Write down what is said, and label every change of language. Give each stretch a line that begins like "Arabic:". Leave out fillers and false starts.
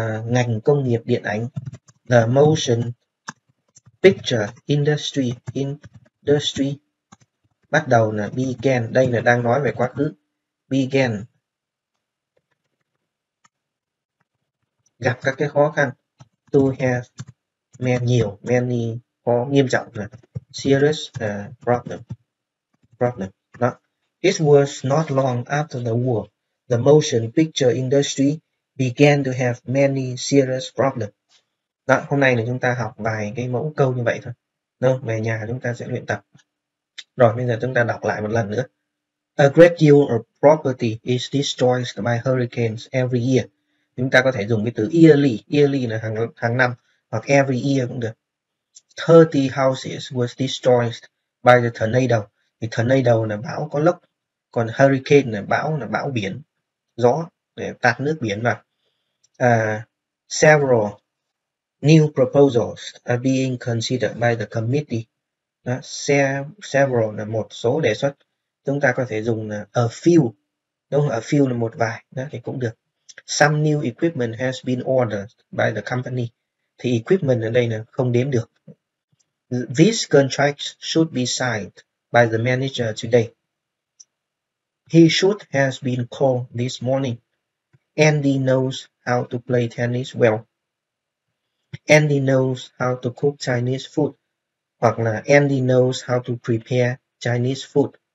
Vietnamese: Ngành công nghiệp điện ảnh,
English: the motion picture industry
Vietnamese: bắt đầu là began, đây là đang nói về quá khứ, began gặp các cái khó khăn,
English: to have many,
Vietnamese: nhiều, many khó nghiêm trọng là
English: serious problem
Vietnamese: đó.
English: It was not long after the war, the motion picture industry began to have many serious problems.
Vietnamese: Đó, hôm nay là chúng ta học vài cái mẫu câu như vậy thôi. Đúng không? Về nhà chúng ta sẽ luyện tập. Rồi, bây giờ chúng ta đọc lại một lần nữa.
English: A great deal of property is destroyed by hurricanes every year.
Vietnamese: Chúng ta có thể dùng cái từ yearly. Yearly là hàng hàng năm. Hoặc every year cũng được.
English: 30 houses was destroyed by the tornado.
Vietnamese: Thì tornado là bão có lốc. Còn hurricane là bão biển. Gió. Để tạt nước biển vào.
English: Several new proposals are being considered by the committee.
Vietnamese: Đó, several là một số đề xuất. Chúng ta có thể dùng là a few. Đúng không? A few là một vài. Đó, thì cũng được.
English: Some new equipment has been ordered by the company.
Vietnamese: Thì equipment ở đây là không đếm được.
English: These contracts should be signed by the manager today. He should have been called this morning. Andy knows how to play tennis well. Andy knows how to cook Chinese food.
Vietnamese: Hoặc là
English: Andy knows how to prepare Chinese food.